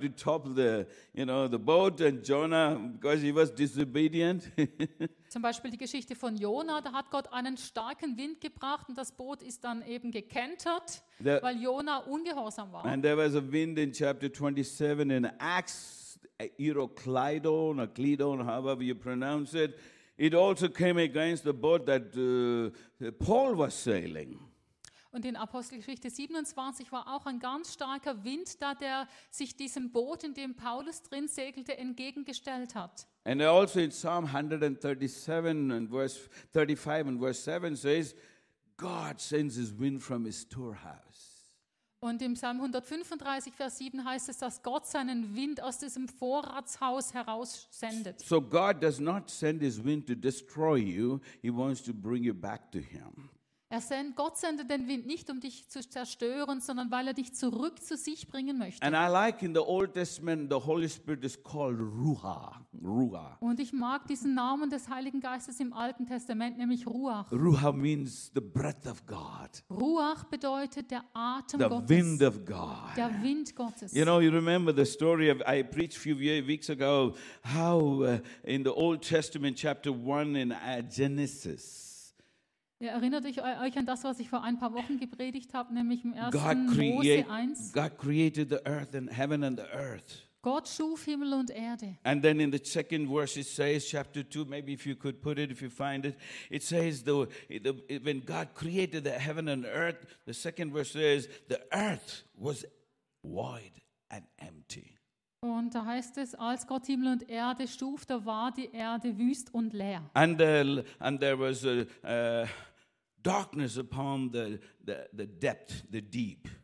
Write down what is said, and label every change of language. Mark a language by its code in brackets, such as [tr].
[en] it tried to topple the boat and Jonah, because he was disobedient. [de] Zum Beispiel die Geschichte von Jonah, da hat Gott einen starken Wind gebracht und das Boot ist dann eben gekentert, weil Jonah ungehorsam war. [en] And there was a wind in chapter 27 in Acts. Euroclidon or Clidon, however you pronounce it, it also came against the boat that Paul was sailing. [de] Und in Apostelgeschichte 27 war auch ein ganz starker Wind da, der sich diesem Boot, in dem Paulus drin segelte, entgegengestellt hat. [en] And also in Psalm 137 and verse 35 and verse 7 says, God sends his wind from his storehouse. [de] Und im Psalm 135, Vers 7 heißt es, dass Gott seinen Wind aus diesem Vorratshaus heraussendet. [en] So God does not send his wind to destroy you, he wants to bring you back to him. [de] Gott sendet den Wind nicht, um dich zu zerstören, sondern weil er dich zurück zu sich bringen möchte. [en] And I like in the Old Testament, the Holy Spirit is called Ruha. [de] Und ich mag diesen Namen des Heiligen Geistes im Alten Testament, nämlich Ruach. [en] Ruha means the breath of God. [de] Ruach bedeutet der Atem [en] the [de] Gottes. [en] The wind of God. [de] Der Wind Gottes. [en] You know, you remember the story of, I preached a few weeks ago, how in the Old Testament, chapter 1 in Genesis, [de] ihr erinnert euch an das, was ich vor ein paar Wochen gepredigt habe, nämlich im 1. Mose 1. [en] God created the earth and heaven and the earth. [de] Gott schuf Himmel und Erde. [en] And then in the second verse it says, chapter 2, maybe if you could put it, if you find it, it says, when God created the heaven and earth, the second verse says, the earth was void and empty. [de] Und da heißt es, als Gott Himmel und Erde schuf, da war die Erde wüst und leer. [en] And there was a darkness upon the depth, the deep.